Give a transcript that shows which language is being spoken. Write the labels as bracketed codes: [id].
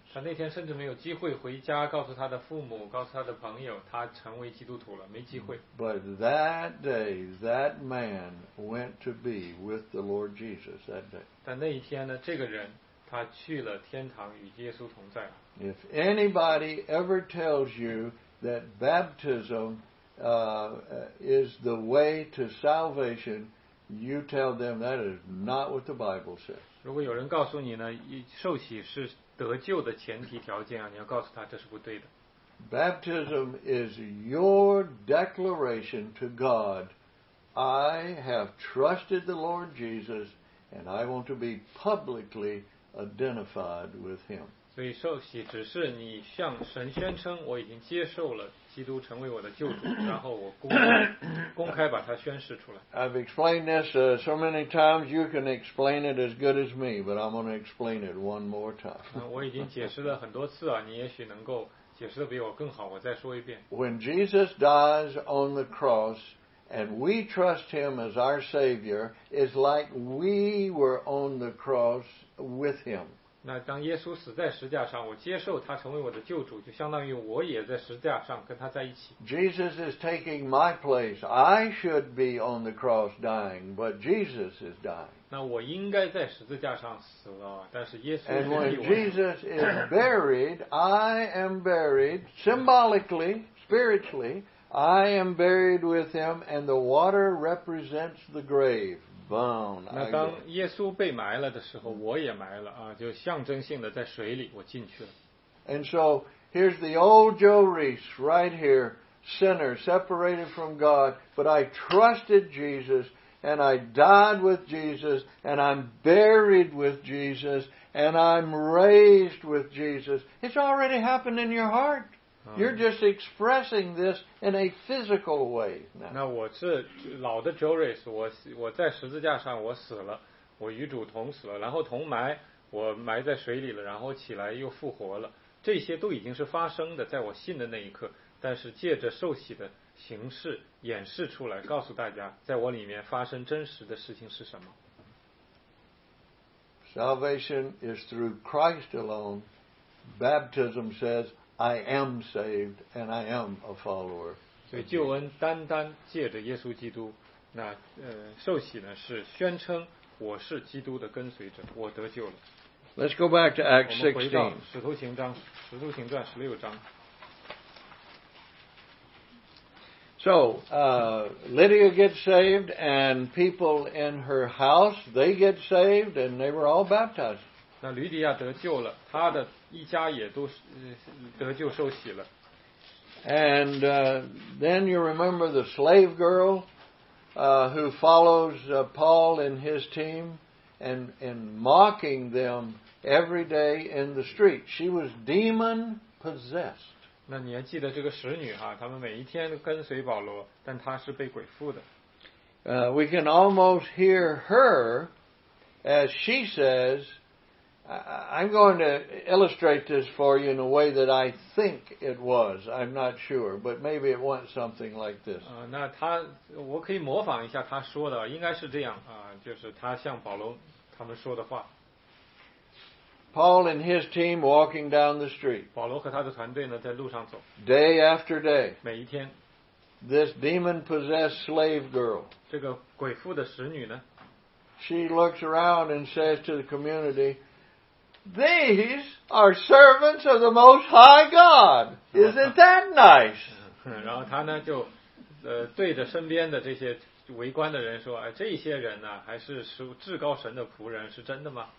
[zh] 他那天甚至没有机会回家告诉他的父母，告诉他的朋友，他成为基督徒了，没机会。 [en] But that day, that man went to be with the Lord Jesus that day. [zh] 但那一天呢，这个人他去了天堂，与耶稣同在。 [en] If anybody ever tells you that baptism is the way to salvation, you tell them that is not what the Bible says. [zh] 如果有人告诉你呢，受洗是得救的前提条件啊，你要告诉他这是不对的。 [en] Baptism is your declaration to God, "I have trusted the Lord Jesus, and I want to be publicly identified with Him." [zh] 所以受洗只是你向神宣称我已经接受了基督成为我的救主，然后我公开把它宣示出来。 [en] I've explained this so many times, you can explain it as good as me, but I'm going to explain it one more time. [zh] 我已经解释了很多次啊，你也许能够解释的比我更好，我再说一遍。 [en] When Jesus dies on the cross and we trust Him as our Savior, it's like we were on the cross. With him. [zh] 那当耶稣死在十字架上，我接受他成为我的救主，就相当于我也在十字架上跟他在一起。 [en] Jesus is taking my place. I should be on the cross dying, but Jesus is dying. [zh] 那我应该在十字架上死了，但是耶稣。 [en] And when Jesus is buried, I am buried symbolically, spiritually. I am buried with him, and the water represents the grave. [zh] 那当耶稣被埋了的时候，我也埋了啊，就象征性的在水里我进去了。 [en] And so here's the old Joe Reese right here, sinner separated from God, but I trusted Jesus and I died with Jesus and I'm buried with Jesus and I'm raised with Jesus. It's already happened in your heart. You're just expressing this in a physical way. [zh] 那我是老的 Joris, 我在十字架上我死了，我与主同死了，然后同埋，我埋在水里了，然后起来又复活了，这些都已经是发生的，在我信的那一刻，但是借着受洗的形式演示出来，告诉大家在我里面发生真实的事情是什么。 [en] Salvation is through Christ alone. Baptism says I am saved and I am a follower. [zh] 所以救恩单单借着耶稣基督，那受洗呢是宣称我是基督的跟随者，我得救了。 [en] Let's go back to Acts 16. [zh] 使徒行章，使徒行传十六章。 [en] So, Lydia gets saved, and people in her house, they get saved, and they were all baptized. [zh] 那吕底亚得救了，她的一家也都得救受洗了。 [en] And then you remember the slave girl who follows Paul and his team and mocking them every day in the street. She was demon possessed. [zh] 那你还记得这个使女哈，他们每一天跟随保罗，但她是被鬼附的。 [en] We can almost hear her as she says, I'm going to illustrate this for you in a way that I think it was. I'm not sure, but maybe it went something like this. [zh] 那她，我可以模仿一下她说的，应该是这样啊，就是她向保罗他们说的话。 [en] Paul and his team walking down the street. [zh] 保罗和他的团队呢，在路上走。 [en] Day after day. [zh] 每一天。 [en] This demon-possessed slave girl. [zh] 这个鬼附的使女呢？ [en] She looks around and says to the community, "These are servants of the Most High God. Isn't that nice?" [zh] 然后他呢，就对着身边的这些围观的人说，哎，这些人呢，还是至高神的仆人，是真的吗？